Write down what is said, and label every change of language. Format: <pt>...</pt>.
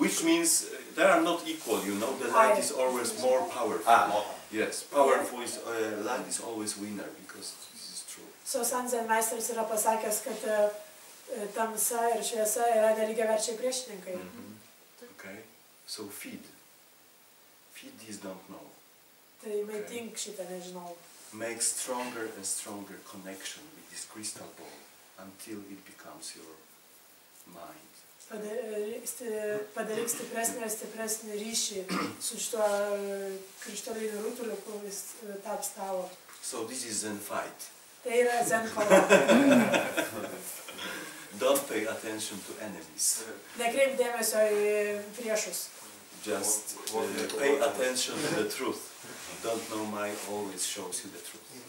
<en>Which means they are not equal, you know, the light is always more powerful. Yes, powerful is light is always winner, because this is true.</en> <lt>So Sanzen Meisteris yra pasakęs, kad tamsa ir šviesa yra neligiaverčiai priešininkai.</lt> <en>Okay, so feed this don't know.</en> <lt>Tai maitink šitą nežinau.</lt> <en>Make stronger and stronger connection with this crystal ball until it becomes your mind.</en> <lt>Padaryk stipresnį ir stipresnį ryšį su šituo krištoliniu rutuliu, kuris taps tavo.</lt> <en>So this is Zen fight.</en> <lt>Tai yra Zen kova.</lt> <en>Don't pay attention to enemies.</en> <lt>Nekreip dėmesio į priešus.</lt> <en>Just pay attention to the truth. Don't know my always shows you the truth.</en>